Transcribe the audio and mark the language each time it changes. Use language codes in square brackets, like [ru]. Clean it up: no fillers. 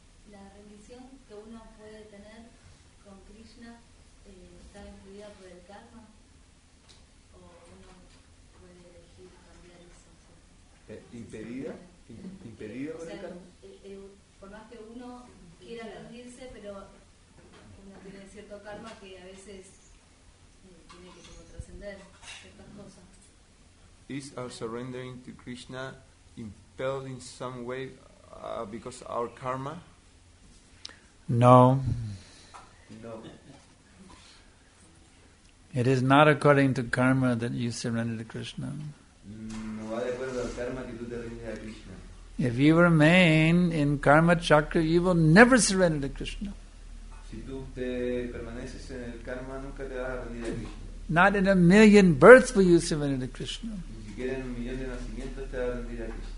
[es] La rendición que uno puede tener con Krishna está influida por el karma, o uno puede elegir cambiar eso. ¿Impedida? ¿Impedida por el karma? Por más que uno quiera rendirse, pero uno tiene cierto karma que a veces tiene que como trascender ciertas cosas. [en] Is our surrendering to Krishna impelled in some way because of our karma? No. No. It is not according to karma that you surrender to Krishna. [es] No va de acuerdo al karma que tú te rindes a Krishna. [en] If you remain in karma chakra, you will never surrender to Krishna. [es] Si tú te permaneces en el karma, nunca te vas a rendir a Krishna. [en] Not in a million births will you surrender to Krishna. [es] Ni siquiera en un millón de nacimientos te vas a rendir a Krishna.